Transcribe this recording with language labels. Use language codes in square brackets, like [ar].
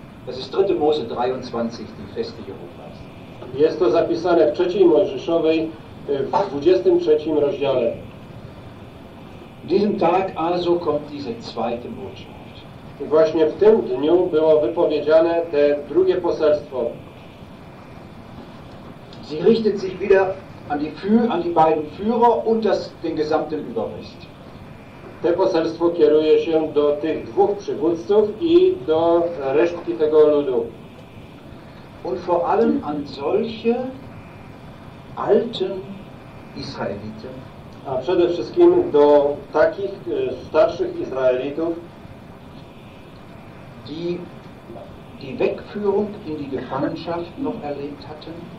[de] Das ist dritte Mose 23, die Feste Jehovas. [pl] Jest to zapisane w trzeciej Mojżeszowej w 23 rozdziale. [de] W diesem Tag also kommt diese zweite Botschaft. [pl] Właśnie w tym dniu było wypowiedziane te drugie poselstwo. [de] Sie richtet sich wieder an die beiden Führer und das den gesamten Überrest. [pl] Te poselstwo kieruje się do tych dwóch przywódców i do resztki tego ludu. [de] Und vor allem an solche alten Israeliten. [pl] A przede wszystkim do takich starszych Izraelitów, [de] die Wegführung in die Gefangenschaft noch erlebt hatten.